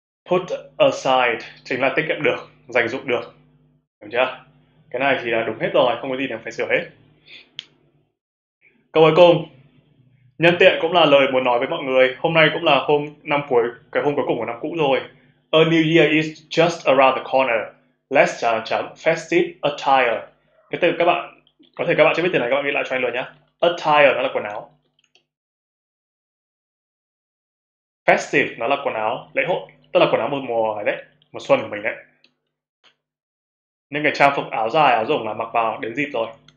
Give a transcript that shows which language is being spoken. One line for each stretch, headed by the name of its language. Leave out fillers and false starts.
Vietnamese: Put aside chính là tiết kiệm được, dành dụm được. Được chưa? Cái này thì là đúng hết rồi, không có gì để phải sửa hết. Câu cuối cùng. Nhân tiện cũng là lời muốn nói với mọi người. Hôm nay cũng là hôm năm cuối, cái hôm cuối cùng của năm cũ rồi.
English: A new year is just around the corner. Let's festive attire.
Vietnamese: Cái từ các bạn có thể các bạn chưa biết từ này các bạn ghi lại cho anh luôn nhé. Attire nó là quần áo. Festive nó là quần áo lễ hội, tức là quần áo một mùa này đấy, mùa xuân của mình đấy. Nên cái trang phục áo dài áo rộng là mặc vào đến dịp rồi.